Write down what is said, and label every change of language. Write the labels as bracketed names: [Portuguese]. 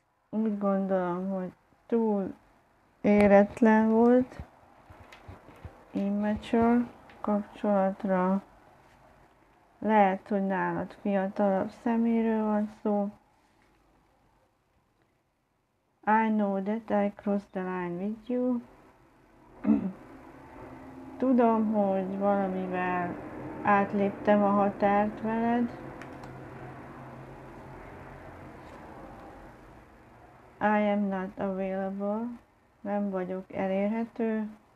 [Hungarian] Úgy gondolom, hogy túl éretlen volt. Immature kapcsolatra. Lehet, hogy nálad fiatalabb szeméről van szó. [English] I know that I crossed the line with you. [Hungarian] Tudom, hogy valamivel átléptem a határt veled. [English] I am not available. [Hungarian] Nem vagyok elérhető.